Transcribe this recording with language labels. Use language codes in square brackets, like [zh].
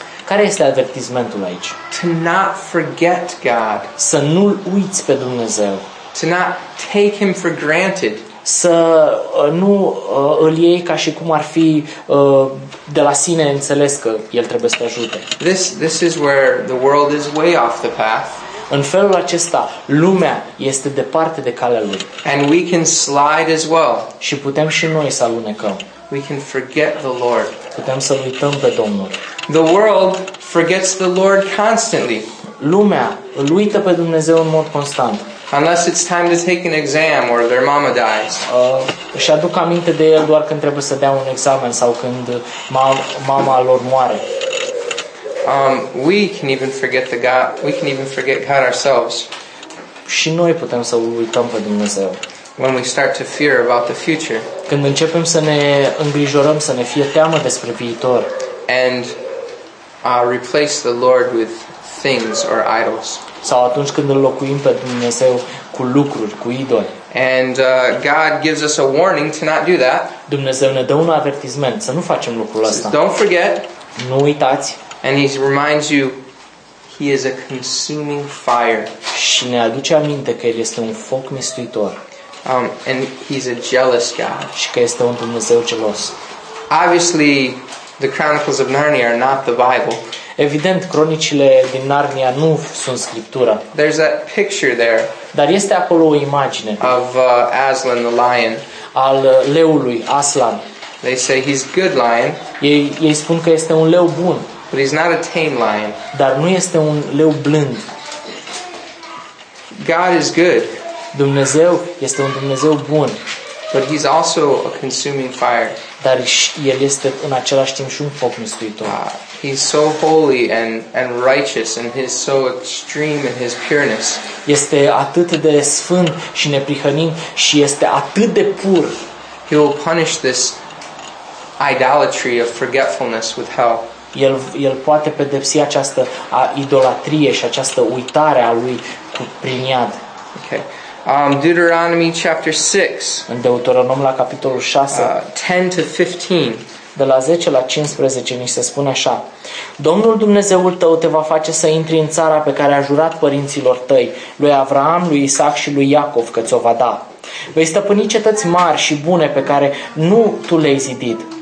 [ro] Care este avertismentul aici? [en] To not forget God. [ro] Să nu-l uiți pe Dumnezeu. [en] To not take him for granted. [ro] Să nu îl iei ca și cum ar fi de la sine înțeles că el trebuie să te ajute. [en] This is where the world is way off the path. [ro] În felul acesta, lumea este departe de calea lui. [en] And we can slide as well. [ro] Și putem și noi să alunecăm. [en] We can forget the Lord. [ro] Putem să uităm pe Domnul. [en] The world forgets the Lord constantly. [ro] Lumea îl uită pe Dumnezeu în mod constant. [en] Unless it's time to take an exam or their mama dies. [ro] Își aduc aminte de el doar când trebuie să dea un examen sau când mama lor moare. [en] We can even forget God ourselves. [ro] Și noi putem să uităm pe Dumnezeu. [en] When we start to fear about the future. [ro] Când începem să ne îngrijorăm, să ne fie teamă despre viitor. [en] And replace the Lord with things or idols. [ro] Sau atunci când îl locuim pe Dumnezeu cu lucruri, cu idoli. [en] And God gives us a warning to not do that. [ro] Dumnezeu ne dă un avertisment să nu facem lucrul ăsta. [en] Don't forget. [ro] Nu uitați. [en] And he reminds you he is a consuming fire. [ro] Și ne aduce aminte că el este un foc mistuitor. [en] And he's a jealous God. [ro] Și că este un Dumnezeu gelos. [en] Obviously, the Chronicles of Narnia are not the Bible. [ro] Evident, cronicile din Narnia nu sunt scriptura. [en] There's that picture there. [ro] Dar este acolo o imagine. [en] Of Aslan the lion. [ro] Al leului Aslan. [en] They say he's good lion. [ro] Ei spun că este un leu bun. [en] But he's not a tame lion. [ro] Dar nu este un leu blând. [en] God is good. [ro] Dumnezeu este un Dumnezeu bun. [en] But he's also a consuming fire. [ro] Dar el este în același timp și un foc mistuitor. [en] He's so holy and righteous, and he's so extreme in his pureness. [ro] Este atât de sfânt și neprihănit și este atât de pur. [en] He will punish this idolatry of forgetfulness with hell. [ro] El poate pedepsi această idolatrie și această uitare a lui cu prin iad. [en] Okay. Deuteronomy chapter 6. [ro] În Deuteronom la capitolul 6, [en] 10 to 15. [ro] De la 10 la 15 ni se spune așa: Domnul Dumnezeul tău te va face să intri în țara pe care a jurat părinților tăi, lui Avraam, lui Isaac și lui Iacov, că ți-o va da. Vei stăpâni cetăți mari și bune pe care nu tu le-ai zidit.